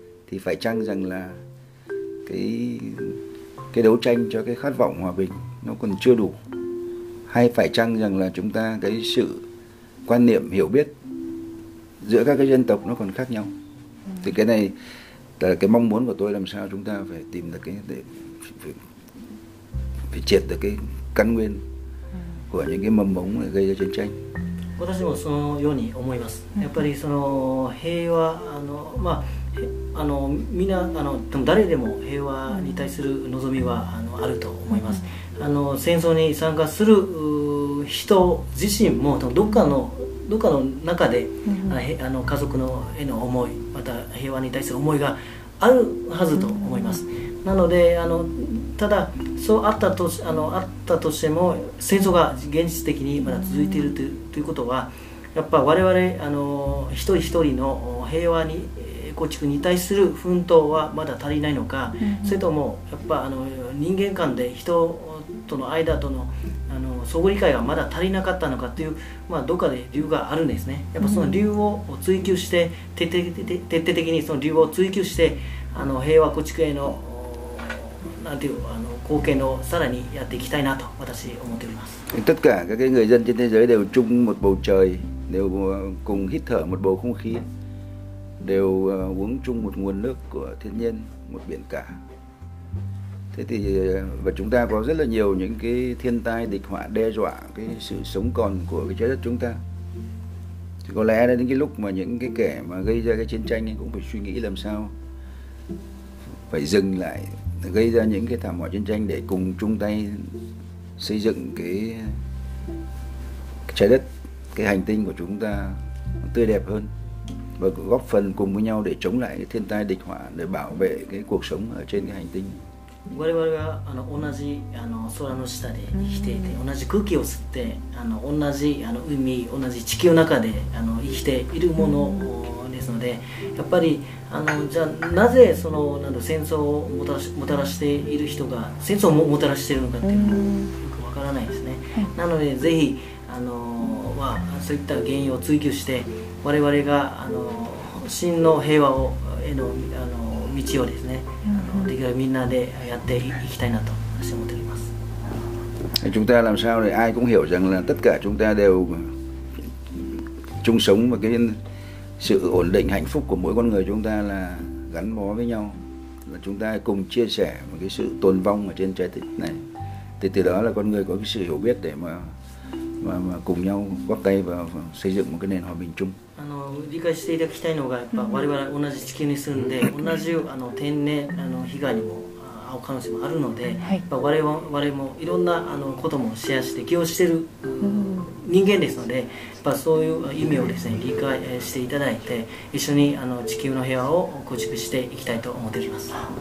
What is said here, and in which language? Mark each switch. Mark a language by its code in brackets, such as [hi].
[vi] thì phải chăng rằng là cái đấu tranh cho cái khát vọng hòa bình nó còn chưa đủ, hay phải chăng rằng là chúng ta cái sự quan niệm hiểu biết giữa các cái dân tộc nó còn khác nhau? Thì cái này là cái mong muốn của tôi, làm sao chúng ta phải tìm được cái để phải triệt được cái căn nguyên của những cái mầm mống để gây ra chiến tranh. [ja] 私もそのように思います。やっぱりその平和、まあ、みんな誰でも平和に対する望みはあると思います。戦争に参加する人自身もどっかの中で家族のへの思い、また平和に対する思いがあるはずと思います。なのでただそうあったとし、あったとしても戦争が現実的にまだ続いているということは、やっぱ我々一人一人の平和に構築に対する奮闘はまだ足りないのか、それともやっぱ人間間で人との間との相互理解がまだ足りなかったのかという、まあ、どこかで理由があるんですね。やっぱその理由を追求して、徹底的にその理由を追求して平和構築へのなんていう貢献をさらにやっていきたいなと私思っております。 [vi] Tất cả các người dân trên thế giới đều chung một bầu trời, đều cùng hít thở một bầu không khí, đều uống chung một nguồn nước của thiên nhiên, một biển cả. Thế thì và chúng ta có rất là nhiều những cái thiên tai địch họa đe dọa cái sự sống còn của cái trái đất chúng ta. Thì có lẽ đến cái lúc mà những cái kẻ mà gây ra cái chiến tranh cũng phải suy nghĩ làm sao phải dừng lại gây ra những cái thảm họa chiến tranh để cùng chung tay xây dựng cái trái đất, cái hành tinh của chúng ta tươi đẹp hơn, và góp phần cùng với nhau để chống lại cái thiên tai địch họa, để bảo vệ cái cuộc sống ở trên cái hành tinh. [ja] 我々が同じ空の下で生きていて、同じ空気を吸って同じ海、同じ地球の中で生きているものですので、やっぱりじゃあなぜそのなん戦争をもたらしている人が戦争をもたらしているのかっていうのがよくわからないですね。なのでぜひそういった原因を追求して、我々が真の平和をへの道をですね、できるみんなでやっていきたいなと私は思っております。 [vi] Chúng ta làm sao để ai cũng hiểu rằng là tất cả chúng ta đều chung sống, và cái sự ổn định hạnh phúc của mỗi con người chúng ta là gắn bó với nhau, là chúng ta cùng chia sẻ một cái sự tồn vong ở trên trái đất này. Thì từ đó là con người có cái sự hiểu biết để mà cùng nhau góp tay vào xây dựng một cái nền hòa bình chung. [ja] 理解していただきたいのが、やっぱ我々同じ地球に住んで同じ天然被害にも遭う可能性もあるので、やっぱ我々もいろんなこともシェアして気をしている人間ですので、やっぱそういう意味をですね、理解していただいて、一緒に地球の平和を構築していきたいと思っております。